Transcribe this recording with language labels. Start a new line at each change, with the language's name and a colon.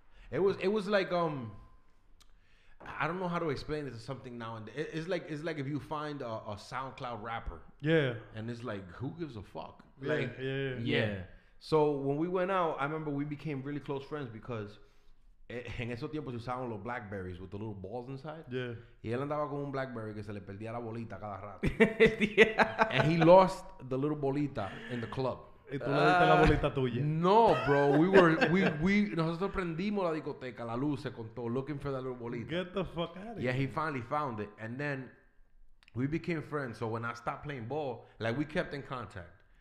English: It was like I don't know how to explain this. It's something now and it's like if you find a SoundCloud rapper. Yeah. And it's like, who gives a fuck? Yeah, like, yeah. So when we went out, I remember we became really close friends because
Spanish: en esos tiempos usaban los blackberries
English: with the little balls inside. Yeah.
Spanish: Y él andaba con un blackberry que se le perdía la bolita cada rato.
English: Yeah. And he lost the little bolita in the club.
Spanish: Y tú le diste la bolita tuya. No, bro. We nosotros prendimos la discoteca, la luz, con todo,
English: looking for that little
Spanish: bolita.
English: Get the fuck out of here. Yeah, he finally found it. And then we became friends. So when I stopped playing ball, like we kept in contact.